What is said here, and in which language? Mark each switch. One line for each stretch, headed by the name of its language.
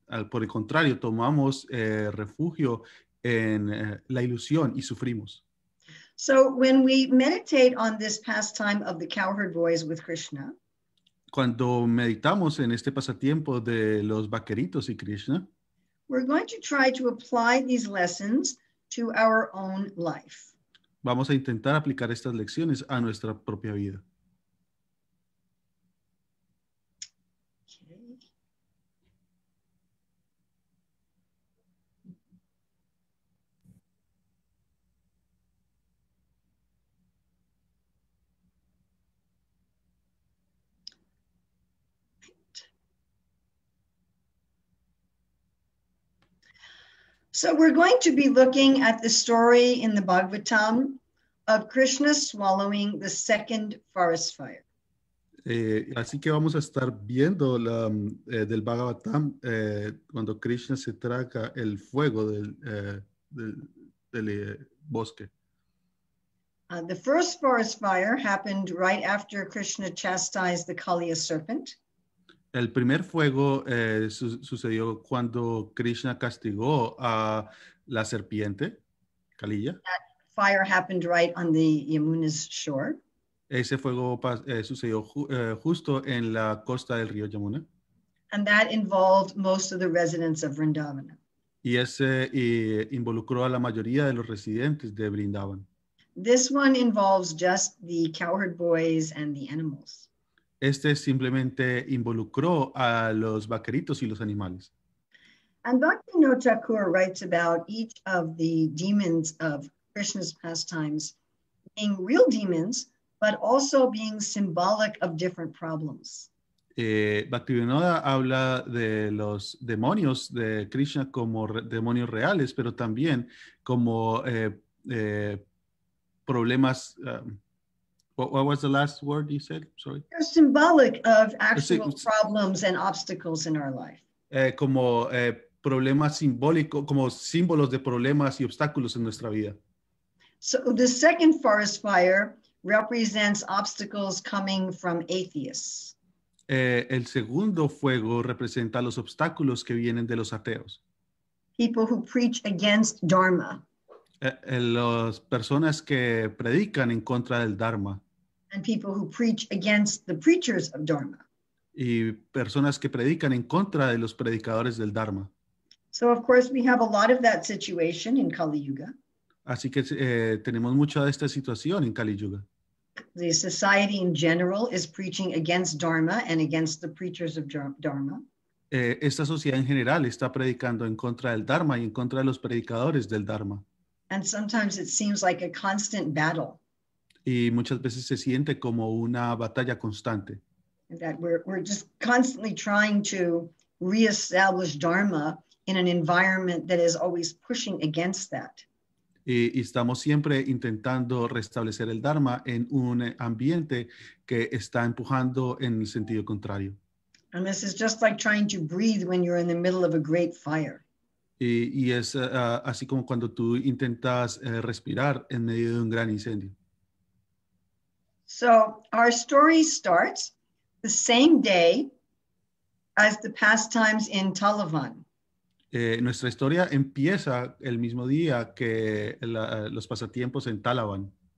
Spanish: Por el contrario, tomamos refugio en la ilusión y sufrimos.
English: So when we meditate on this pastime of the cowherd boys with Krishna,
Spanish: cuando meditamos en este pasatiempo de los vaqueritos y Krishna,
English: we're going to try to apply these lessons to our own life.
Spanish: Vamos a intentar aplicar estas lecciones a nuestra propia vida.
English: So we're going to be looking at the story in the Bhagavatam of Krishna swallowing the second forest fire.
Spanish: Así que vamos a estar viendo del Bhagavatam cuando Krishna se traga el fuego del bosque.
English: The first forest fire happened right after Krishna chastised the Kaliya serpent.
Spanish: El primer fuego sucedió cuando Krishna castigó a la serpiente, Kaliya.
English: That fire happened right on the Yamuna's shore.
Spanish: Ese fuego sucedió justo en la costa del río Yamuna.
English: And that involved most of the residents of Vrindavan.
Spanish: Y ese involucró a la mayoría de los residentes de Vrindavan.
English: This one involves just the cowherd boys and the animals.
Spanish: Este simplemente involucró a los vaqueritos y los animales.
English: And Bhaktivinoda Thakur writes about each of the demons of Krishna's pastimes being real demons, but also being symbolic of different problems.
Spanish: Bhaktivinoda habla de los demonios de Krishna como demonios reales, pero también como problemas.
English: What was the last word you said? Sorry. They're symbolic of actual problems and obstacles in our life.
Spanish: Como problemas simbólicos, como símbolos de problemas y obstáculos en nuestra vida.
English: So the second forest fire represents obstacles coming from atheists.
Spanish: El segundo fuego representa los obstáculos que vienen de los ateos.
English: People who preach against Dharma.
Spanish: Las personas que predican en contra del Dharma.
English: And people who preach against the preachers of Dharma.
Spanish: Y personas que predican en contra de los predicadores del Dharma.
English: So of course we have a lot of that situation in Kali Yuga.
Spanish: Así que tenemos mucha de esta situación en Kali Yuga.
English: The society in general is preaching against Dharma and against the preachers of Dharma.
Spanish: esta sociedad en general está predicando en contra del Dharma y en contra de los predicadores del Dharma.
English: And sometimes it seems like a constant battle.
Spanish: Y muchas veces se siente como una batalla constante.
English: That we're just constantly trying to reestablish Dharma in an environment that is always pushing against that.
Spanish: Y estamos siempre intentando restablecer el Dharma en un ambiente que está empujando en el sentido contrario.
English: And this is just like trying to breathe when you're in the middle of a great fire.
Spanish: Y es así como cuando tú intentas respirar en medio de un gran incendio.
English: So our story starts the same day as the pastimes in Talavan.
Spanish: Nuestra historia empieza el mismo día que los pasatiempos en Talavan.